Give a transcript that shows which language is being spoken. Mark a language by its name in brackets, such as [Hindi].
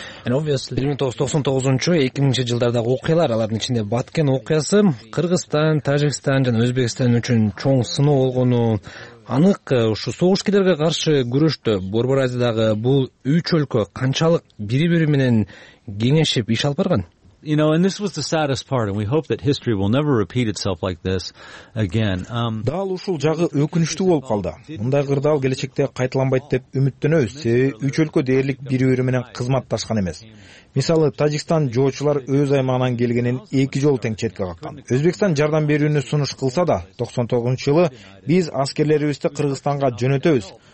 [Kyrgyz] 1999-2000-чи жылдардагы окуялар, алардын ичинде Баткен окуясы Кыргызстан, Тажикстан жана Өзбекстан үчүн чоң сыноо болгону анык. Ушу согушкерлерге каршы күрөштө Борбор Азиядагы бул үч өлкө канчалык бири-бири менен кеңешип иш алып барган? [English] You know, and this was the saddest part, and we hope that history will never repeat itself like this again. [Kyrgyz] Дал ушул жагы өкүнүчтүү болуп калды. Мындай кырдаал келечекте кайталанбайт деп үмүттөнөбүз. Себеби үч өлкө дээрлик бири-бири менен кызматташкан эмес. Мисалы, Тажикстан жоочулар өз аймагынан келгенин эки жолу тең четке каккан. Өзбекстан жардам берүүнү сунуш кылса да, 99-чу жылы биз аскерлерибизди Кыргызстанга жөнөтөбүз.